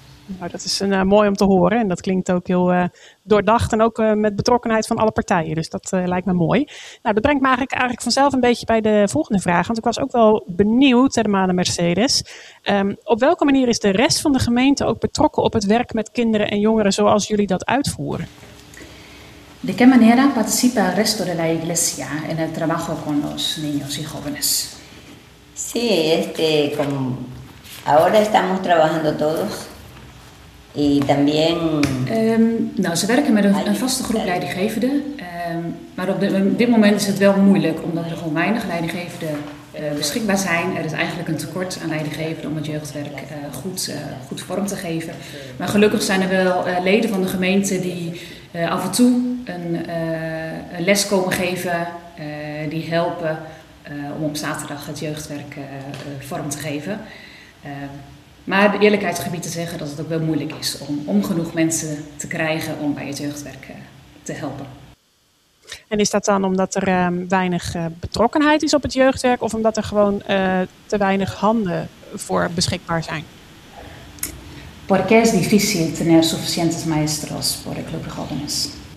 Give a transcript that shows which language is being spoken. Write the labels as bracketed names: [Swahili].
[Dutch] Nou, dat is mooi om te horen en dat klinkt ook heel doordacht en ook met betrokkenheid van alle partijen. Dus dat lijkt me mooi. Nou, dat brengt me eigenlijk vanzelf een beetje bij de volgende vraag. Want ik was ook wel benieuwd, Hermane Mercedes. Op welke manier is de rest van de gemeente ook betrokken op het werk met kinderen en jongeren zoals jullie dat uitvoeren? [Spanish] ¿De qué manera participa el resto de la iglesia en el trabajo con los niños y jóvenes? Sí, como ahora estamos trabajando todos. Y también, [Dutch] ze werken met een vaste groep leidinggevenden, maar op dit moment is het wel moeilijk omdat er gewoon weinig leidinggevenden beschikbaar zijn. Er is eigenlijk een tekort aan leidinggevenden om het jeugdwerk goed vorm te geven. Maar gelukkig zijn er wel leden van de gemeente die af en toe een les komen geven, die helpen om op zaterdag het jeugdwerk vorm te geven. Maar de eerlijkheid gebied te zeggen dat het ook wel moeilijk is om genoeg mensen te krijgen om bij het jeugdwerk te helpen. En is dat dan omdat er weinig betrokkenheid is op het jeugdwerk of omdat er gewoon te weinig handen voor beschikbaar zijn? [Spanish] ¿Por qué es difícil tener suficientes maestros por el club de jóvenes?